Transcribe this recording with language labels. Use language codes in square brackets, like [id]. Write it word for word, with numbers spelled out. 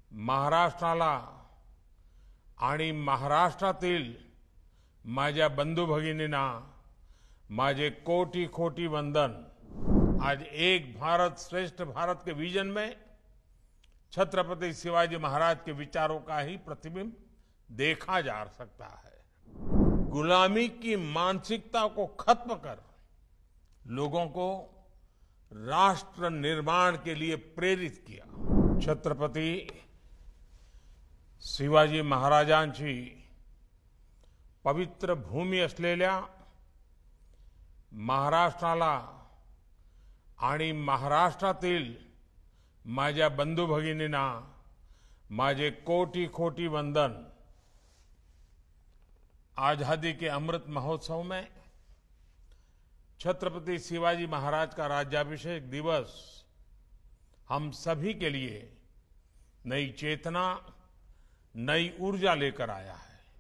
[mr] महाराष्ट्राला आणि महाराष्ट्रातील माझ्या बंधू भगिनींना माझे कोटी कोटी वंदन। [hi] आज एक भारत श्रेष्ठ भारत के विजन में छत्रपति शिवाजी महाराज के विचारों का ही प्रतिबिंब देखा जा सकता है। गुलामी की मानसिकता को खत्म कर लोगों को राष्ट्र निर्माण के लिए प्रेरित किया। [mr] छत्रपति शिवाजी महाराजांची पवित्र भूमी असलेल्या महाराष्ट्राला आणि महाराष्ट्रातील माझ्या बंधू भगिनींना माझे कोटी कोटी वंदन। [hi] आजादी के अमृत महोत्सव में छत्रपति शिवाजी महाराज का राज्याभिषेक दिवस हम सभी के लिए नई चेतना, नई ऊर्जा लेकर आया है।